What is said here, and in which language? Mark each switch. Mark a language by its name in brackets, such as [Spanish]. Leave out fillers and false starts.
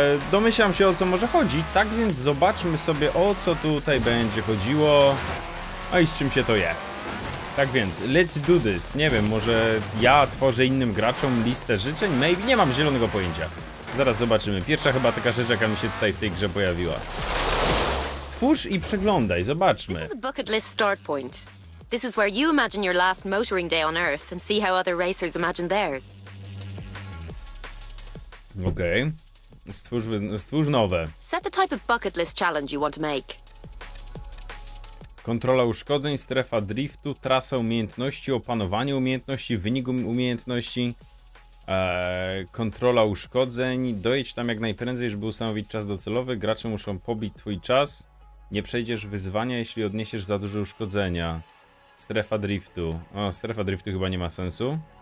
[Polish] Domyślam się, o co może chodzić, tak więc zobaczmy sobie, o co tutaj będzie chodziło, a i z czym się to je. Tak więc, [English] let's do this. [Polish] Nie wiem, może ja tworzę innym graczom listę życzeń? [English] Maybe? [Polish] Nie mam zielonego pojęcia. Zaraz zobaczymy. Pierwsza chyba taka rzecz, jaka mi się tutaj w tej grze pojawiła. Twórz i przeglądaj, zobaczmy. [English] To jest bucket list start point. [Polish] To jest, gdzie [English] imagine your last motoring day on Earth and see how other racers imagine theirs. [Polish] Okej. Okay. Stwórz nowe. [English] Set the type of bucket list challenge you want to make. [Polish] Kontrola uszkodzeń, strefa driftu, trasa umiejętności, opanowanie umiejętności, wynik umiejętności, kontrola uszkodzeń, dojedź tam jak najprędzej, żeby ustanowić czas docelowy, gracze muszą pobić twój czas, nie przejdziesz wyzwania, jeśli odniesiesz za duże uszkodzenia, strefa driftu, o, strefa driftu chyba nie ma sensu.